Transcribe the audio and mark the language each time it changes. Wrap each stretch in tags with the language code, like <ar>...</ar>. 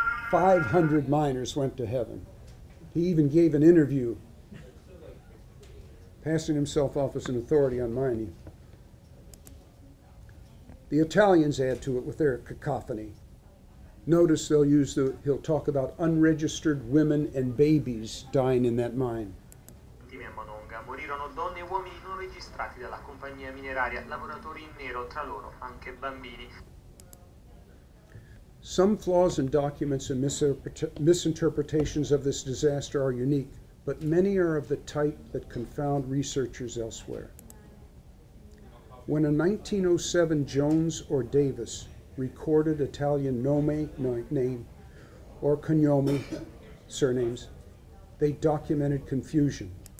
<en>Five 500 miners went to heaven. He even gave an interview, passing himself off as an authority on mining. The Italians add to it with their cacophony. Notice they'll he'll talk about unregistered women and babies dying in that mine.</en> <it>Morirono donne e uomini non registrati dalla compagnia mineraria, lavoratori in nero, tra loro anche bambini.</it> <en>Some flaws in documents and misinterpretations of this disaster are unique, but many are of the type that confound researchers elsewhere. When a 1907 Jones or Davis recorded Italian nome, name, or cognome, surnames, they documented confusion.</en>